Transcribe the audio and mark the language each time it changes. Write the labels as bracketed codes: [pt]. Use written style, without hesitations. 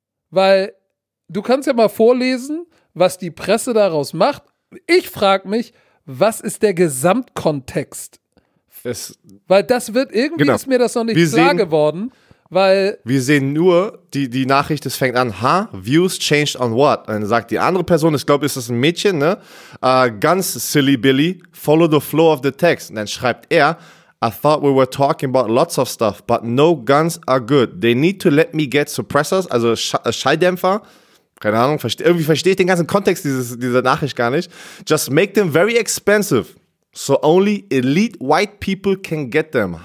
[de] Weil du kannst ja mal vorlesen, was die Presse daraus macht. Ich frage mich, was ist der Gesamtkontext es, weil das wird, irgendwie genau. Ist mir das noch nicht klar geworden, weil... Wir sehen nur, die Nachricht, es fängt an, ha, [en] views changed on what? [de] Dann sagt die andere Person, ich glaube, ist das ein Mädchen, ne? Ganz [en] silly Billy, follow the flow of the text. [de] Und dann schreibt er, [en] I thought we were talking about lots of stuff, but no guns are good. They need to let me get suppressors, [de] also Schalldämpfer. Keine Ahnung, irgendwie verstehe ich den ganzen Kontext dieser Nachricht gar nicht. [en] Just make them very expensive, so only elite white people can get them.